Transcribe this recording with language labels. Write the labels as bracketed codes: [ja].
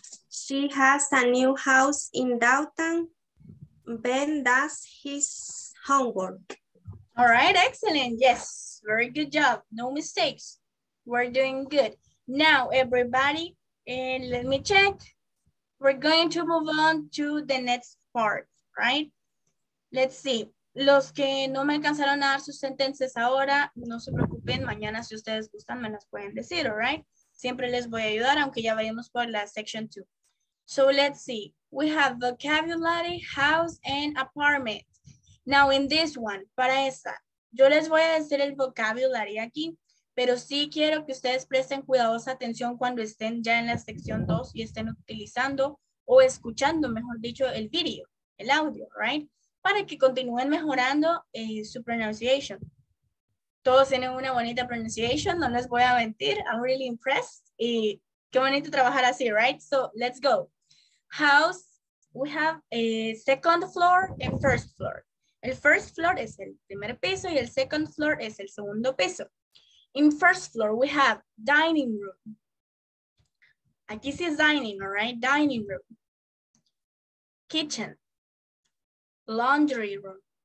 [en] She has a new house in downtown. Ben does his homework. All right. Excellent. Yes. Very good job. No mistakes. We're doing good. Now, everybody, let me check. we're going to move on to the next part, right? Let's see. [es] Los que no me alcanzaron a dar sus sentences ahora, no se preocupen, mañana si ustedes gustan me las pueden decir, all right? Siempre les voy a ayudar, aunque ya vayamos por la section 2. So let's see. [en] We have vocabulary, house, and apartment. [es] Now in this one, para esta, yo les voy a decir el vocabulary aquí, pero sí quiero que ustedes presten cuidadosa atención cuando estén ya en la sección 2 y estén utilizando o escuchando, mejor dicho, el video, el audio, right? Para que continúen mejorando su pronunciation. Todos tienen una bonita pronunciation, no les voy a mentir. [en] I'm really impressed. Y qué bonito trabajar así, right? So, let's go. House, we have a second floor and first floor. [es] El first floor es el primer piso y el second floor es el segundo piso. [en] In first floor, we have dining room. Aquí sí es dining, all right? Dining room. Kitchen. Laundry room.